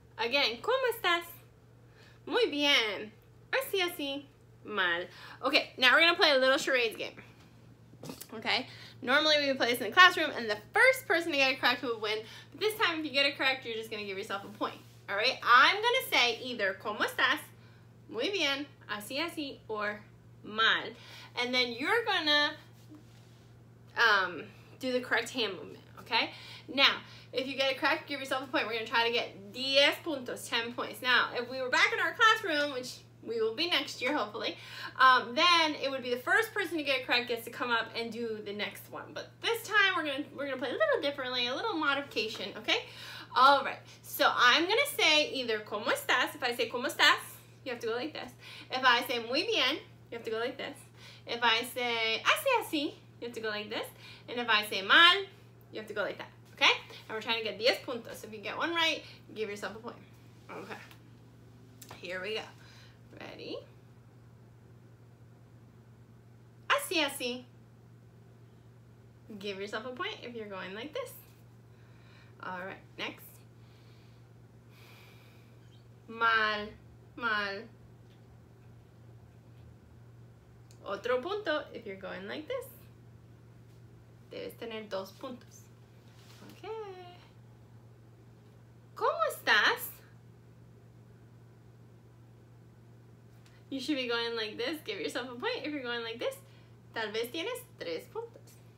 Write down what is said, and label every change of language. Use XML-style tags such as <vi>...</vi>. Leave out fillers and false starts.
<es>Again, ¿cómo estás? Muy bien. Así, así. Mal.</es> <en>Okay, now we're going to play a little charades game. Okay? Normally, we would play this in the classroom, and the first person to get it correct would win. But this time, if you get it correct, you're just going to give yourself a point. All right? I'm going to say either,</en> <es>¿cómo estás? Muy bien. Así, así. Or, mal.</es> <en>And then you're gonna do the correct hand movement, okay? Now, if you get it correct, give yourself a point. We're gonna try to get</en> <es>10 puntos,</es> <en>10 points. Now, if we were back in our classroom, which we will be next year, hopefully, then it would be the first person to get it correct gets to come up and do the next one. But this time, we're gonna play a little differently, a little modification, okay? All right, so I'm gonna say either,</en> <es>¿cómo estás?</es> <en>If I say,</en> <es>¿cómo estás?</es> <en>You have to go like this. If I say,</en> <es>muy bien,</es> <en>you have to go like this. If I say,</en> <es>así, así,</es> <en>you have to go like this. And if I say,</en> <es>mal,</es> <en>you have to go like that. Okay? And we're trying to get</en> <es>10 puntos.</es> <en>So if you get one right, give yourself a point. Okay. Here we go. Ready?</en> <es>Así, así.</es> <en>Give yourself a point if you're going like this. All right. Next.</en> <es>Mal, mal. Otro punto</es> <en>if you're going like this.</en> <es>Debes tener dos puntos.</es> <en>Okay.</en> <es>¿Cómo estás?</es> <en>You should be going like this. Give yourself a point if you're going like this.</en> <es>Tal vez tienes tres puntos.</es>